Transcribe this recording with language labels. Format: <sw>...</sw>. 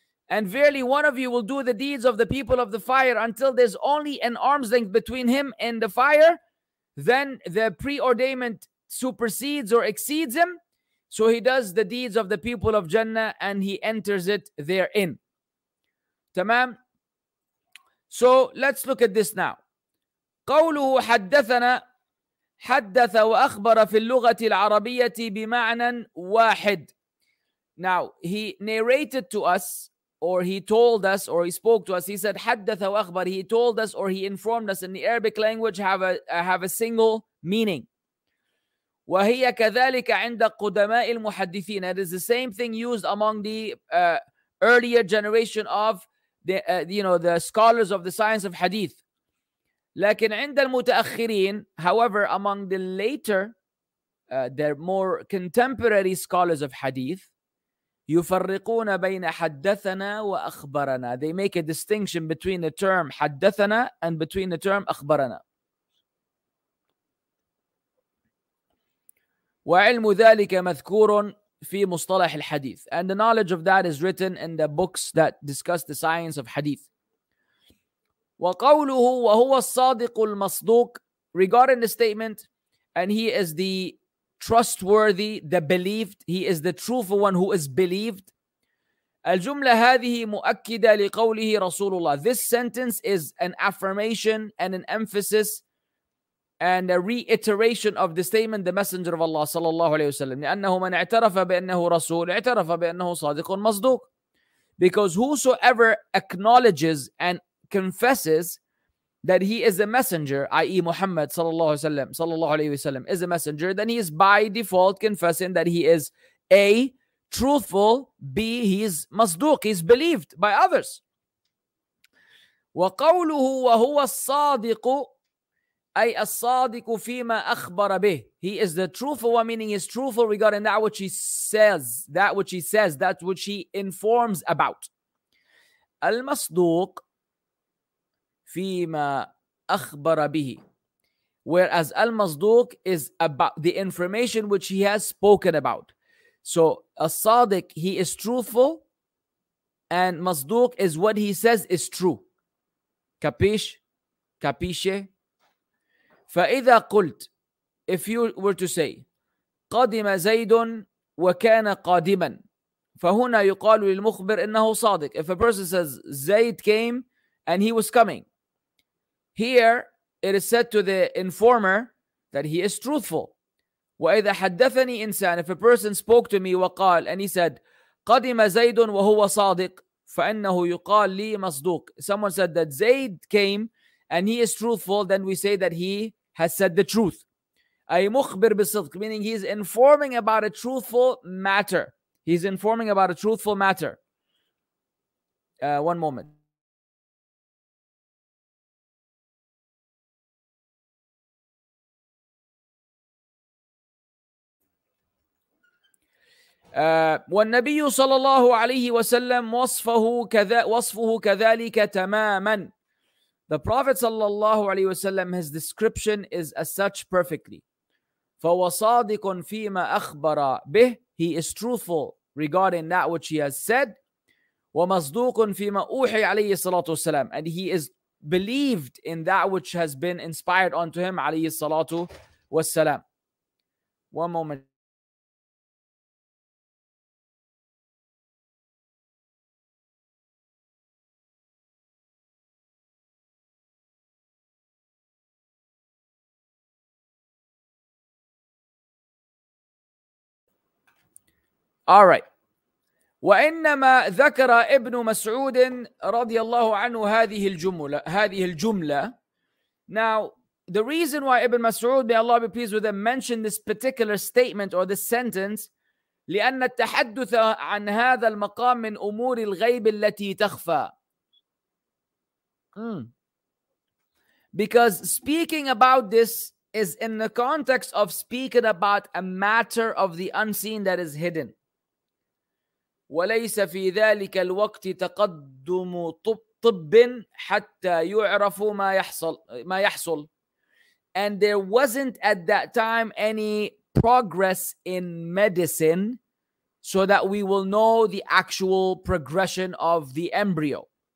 <en>And verily one of you will do the deeds of the people of the fire until there's only an arm's length between him and the fire. Then the preordainment supersedes or exceeds him. So he does the deeds of the people of Jannah and he enters it therein. Tamam. So let's look at this now.</en> <ar>قوله حدثنا حدث وأخبر في اللغة العربية بمعنى واحد.</ar> <en>Now he narrated to us, or he told us, or he spoke to us, he said,</en> <ar>حدث وأخبر,</ar> <en>he told us or he informed us in the Arabic language have a single meaning.</en> <ar>وهي كذلك عند قدماء المحدثين.</ar> <en>It is the same thing used among the earlier generation of the scholars of the science of hadith.</en> <ar>لكن عند المتأخرين,</ar> <en>however, among the later, the more contemporary scholars of hadith,</en> <ar>يفرقون بين حدثنا وأخبرنا.</ar> <en>They make a distinction between the term حدثنا and between the term أخبرنا.</en> <ar>وعلم ذلك مذكور في مصطلح الحديث.</ar> <en>And the knowledge of that is written in the books that discuss the science of hadith.</en> <ar>وقوله وهو الصادق المصدوق,</ar> <en>regarding the statement, and he is the trustworthy, the believed, he is the truthful one who is believed.</en> <ar>الجملة هذه مؤكدة لقوله رسول الله.</ar> <en>This sentence is an affirmation and an emphasis and a reiteration of the statement, the Messenger of Allah</en> <ar>صلى الله عليه وسلم. لأنه من اعترف بأنه رسول اعترف بأنه صادق مصدوق.</ar> <en>Because whosoever acknowledges and confesses that he is a messenger, i.e. Muhammad</en> <ar>sallallahu alayhi wa sallam,</ar> <en>is a messenger, then he is by default confessing that he is A, truthful, B, he is masduq, he is believed by others.</en> <ar>وَقَوْلُهُ وَهُوَ الصَّادِقُ أي الصَّادِقُ فِيمَا أَخْبَرَ بِهِ.</ar> <en>He is the truthful one, meaning he is truthful regarding that which he says, that which he says, that which he informs about.</en> <ar>الْمَصْدُوقُ فيما أخبر به.</ar> <en>Whereas المصدوق is about the information which he has spoken about. So الصادق, he is truthful, and مصدوق is what he says is true.</en> <ar>كبيش؟ كبيشة؟ فإذا قلت,</ar> <en>if you were to say</en> <ar>قادم زيد وكان قادما, فهنا يقال للمخبر إنه صادق.</ar> <en>If a person says زيد came and he was coming, here, it is said to the informer that he is truthful.</en> <ar>وَإِذَا حَدَّثَنِي إِنسَانِ,</ar> <en>if a person spoke to me,</en> <ar>وقال,</ar> <en>and he said,</en> <ar>قَدِمَ زَيْدٌ وَهُوَ صَادِقٌ فَإِنَّهُ يُقَالْ لِي مَصْدُوقٌ.</ar> <en>Someone said that Zayd came and he is truthful, then we say that he has said the truth.</en> <ar>أي مُخْبِرْ بِصِدْقٍ,</ar> <en>meaning he is informing about a truthful matter. He is informing about a truthful matter. One moment.</en> <ar>والنبي صلى الله عليه وسلم وصفه كذلك تماما.</ar> <en>The Prophet</en> <ar>صلى الله عليه وسلم,</ar> <en>his description is as such perfectly.</en> <ar>فهو صادق فيما أخبر به,</ar> <en>he is truthful regarding that which he has said.</en> <ar>ومصدوق فيما أوحي عليه الصلاة والسلام,</ar> <en>and he is believed in that which has been inspired onto him</en> <ar>عليه الصلاة والسلام.</ar> <en>One moment. All right.</en> <ar>وإنما ذكر ابن مسعود رضي الله عنه هذه الجملة. هذه الجملة.</ar> <en>Now, the reason why Ibn Mas'ud, may Allah be pleased with him, mentioned this particular statement or this sentence,</en> <ar>لأن التحدث عن هذا المقام من أمور الغيب التي تخفى.</ar> <en>Because speaking about this is in the context of speaking about a matter of the unseen that is hidden.</en> <ar>وليس في ذلك الوقت تقدم طب حتى يعرف ما يحصل ما يحصل.</ar> <en>And there wasn't at that time any progress in medicine so that we will know the actual progression of the embryo.</en>